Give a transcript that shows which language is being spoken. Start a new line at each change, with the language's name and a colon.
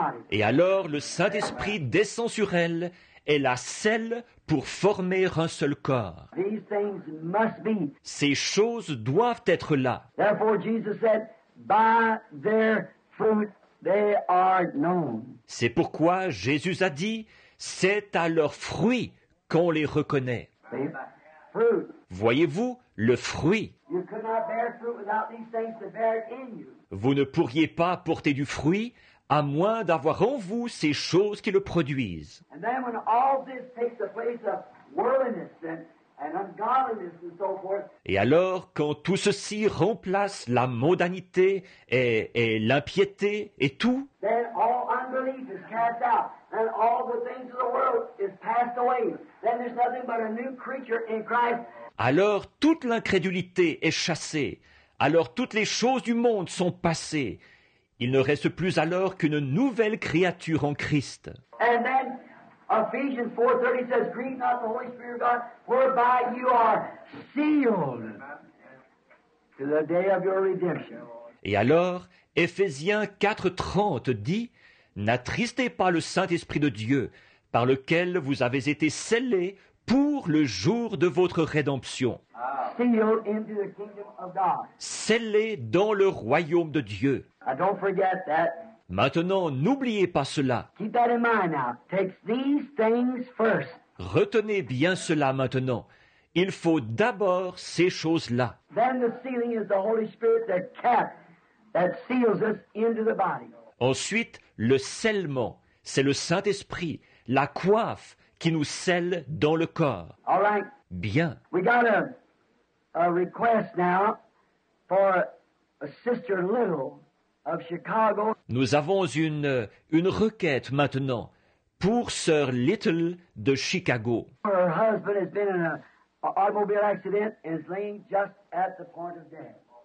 French: Et alors, le Saint-Esprit descend sur elle et la scelle pour former un seul corps.
English: These things must be.
French: Ces choses doivent être là.
English: Therefore, Jesus said, by their fruit they are known.
French: C'est pourquoi Jésus a dit, c'est à leurs fruits qu'on les reconnaît.
English: Fruit.
French: Voyez-vous, le fruit.
English: You could not bear fruit without these things to bear in you.
French: Vous ne pourriez pas porter du fruit à moins d'avoir en vous ces choses qui le produisent.
English: And then when all this takes the place of worldliness and ungodliness and so forth.
French: Et alors, quand tout ceci remplace la mondanité et l'impiété et tout,
English: then all unbelief is cast out, and all the things of the world is passed away. Then there's nothing but a new creature in Christ.
French: Alors, toute l'incrédulité est chassée. Alors, toutes les choses du monde sont passées. Il ne reste plus alors qu'une nouvelle créature en Christ.
English: And then, Ephesians 4:30 says, grieve not the Holy Spirit of God, whereby you are sealed to the day of your redemption.
French: Et alors, Ephésiens 4:30 dit, n'attristez pas le Saint-Esprit de Dieu, par lequel vous avez été scellés pour le jour de votre rédemption.
English: Sealed into the kingdom of God.
French: Scellés dans le royaume de Dieu.
English: I don't forget that.
French: Maintenant, n'oubliez pas cela.
English: Keep that in mind now. Take these things first.
French: Retenez bien cela maintenant. Il faut d'abord ces choses-là.
English: Then the sealing is the Holy Spirit, the cap that seals us into the body.
French: Ensuite, le scellement, c'est le Saint-Esprit, la coiffe qui nous scelle dans le corps.
English: All right.
French: Bien.
English: We got a request now for a sister Little of Chicago.
French: nous avons une requête maintenant pour Sœur Little de Chicago.
English: Her husband has been in an automobile accident and is laying just at the point of death.